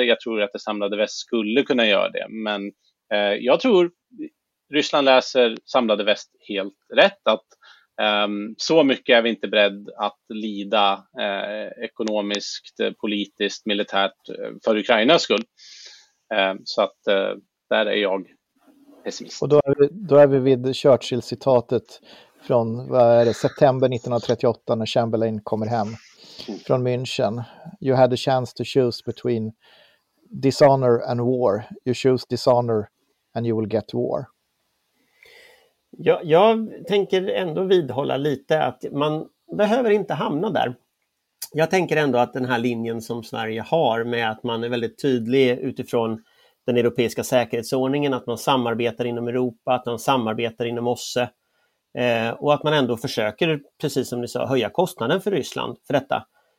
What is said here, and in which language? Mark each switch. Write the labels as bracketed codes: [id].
[sv] Jag tror att det samlade väst skulle kunna göra det, men jag tror Ryssland läser samlade väst helt rätt, att så mycket är vi inte beredd att lida ekonomiskt, politiskt, militärt för Ukrainas skull. Så att där är jag. pessimist. Och då är vi vid Churchill-citatet från september 1938 när Chamberlain kommer hem från München. [en] You had a chance to choose between dishonor and war. You choose dishonor and you will get war. [sv] Jag tänker ändå vidhålla lite att man behöver inte hamna där. Jag tänker ändå att den här linjen som Sverige har med att man är väldigt tydlig utifrån den europeiska säkerhetsordningen, att man samarbetar inom Europa, att man samarbetar inom OSSE och att man ändå försöker, precis som ni sa, höja kostnaden för Ryssland för detta.